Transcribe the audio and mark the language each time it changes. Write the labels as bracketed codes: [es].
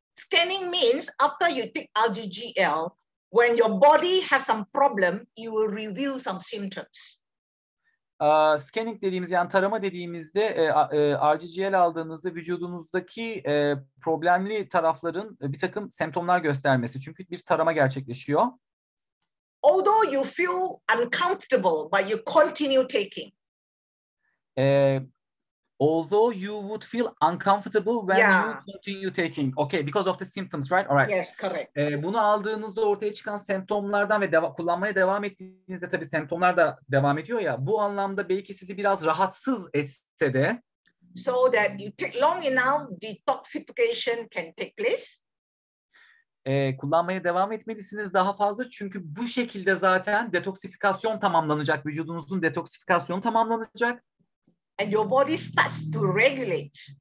[en] Scanning means after you take RGGL, when your body has some problem, you will reveal some symptoms. [tr] Scanning dediğimiz yani tarama dediğimizde RGGL aldığınızda vücudunuzdaki problemli tarafların bir takım semptomlar göstermesi. Çünkü bir tarama gerçekleşiyor. [en] Although you feel uncomfortable, but you continue taking. Although you would feel uncomfortable when you continue taking. Okay, because of the symptoms, right? All right. Yes, correct. [tr] Bunu aldığınızda ortaya çıkan semptomlardan ve kullanmaya devam ettiğinizde tabii semptomlar da devam ediyor ya. Bu anlamda belki sizi biraz rahatsız etse de. [en] So that you take long enough, detoxification can take place. [tr] Kullanmaya devam etmelisiniz daha fazla. Çünkü bu şekilde zaten detoksifikasyon tamamlanacak. Vücudunuzun detoksifikasyonu tamamlanacak. [en] And your body starts to regulate.